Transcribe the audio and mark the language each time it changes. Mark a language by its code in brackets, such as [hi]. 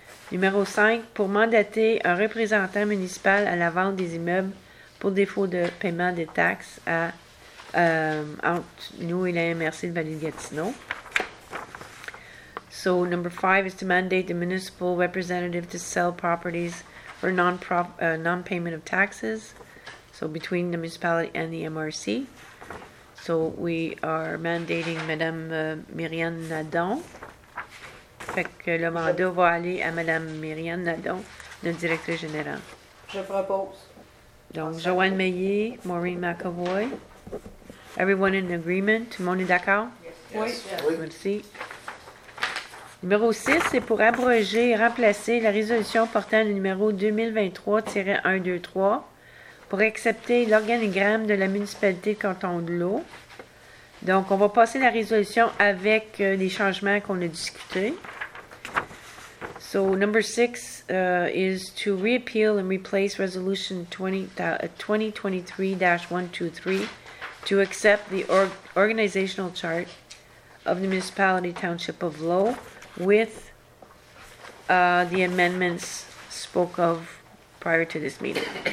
[fr] Numéro 5, pour mandater un représentant municipal à la vente des immeubles pour défaut de paiement des taxes à entre nous et la MRC de Vallée-Gatineau. [en] So, number 5 is to mandate the municipal representative to sell properties for non-payment of taxes, so between the municipality and the MRC. So, we are mandating Madame Myriam Nadon. [fr] Fait que le mandat va aller à Madame Myriam Nadon, notre directrice générale. Je propose. Donc, Joanne Meillier, Maureen McAvoy. [en] Everyone in agreement? [fr] Tout le monde est d'accord? [en] Yes. [fr] Oui. Merci. Numéro 6, c'est pour abroger et remplacer la résolution portant le numéro 2023-123. Pour accepter l'organigramme de la municipalité de canton de l'eau. Donc, on va passer la résolution avec les changements qu'on a discutés. [en] So, number 6 is to reappeal and replace resolution 2023-123 to accept the organizational chart of the municipality township of l'eau with the amendments spoke of prior to this meeting.